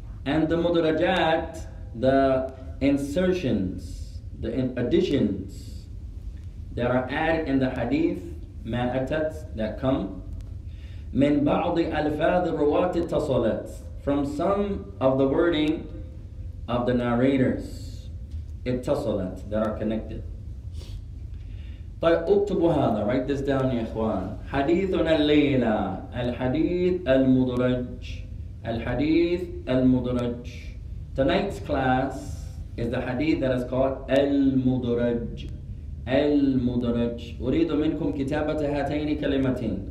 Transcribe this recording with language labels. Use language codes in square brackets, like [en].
[en] And the مُدْرَجَات, the insertions, the additions that are added in the hadith, [ar] مَا أَتَتْ, [en] that come [ar] مِنْ بَعْضِ أَلْفَاظِ الرُّوَاةِ اتَّصَلَتْ, [en] from some of the wording of the narrators اتَّصَلَتْ, that are connected. [ar] طيب اكتبوا هذا, [en] write this down [ar] يا اخوان. حديثنا الليلة الحديث المدرج. الحديث المدرج. [en] Tonight's class is the hadith that is called المدرج. [ar] المدرج. أريد منكم كتابة هاتين كلمتين.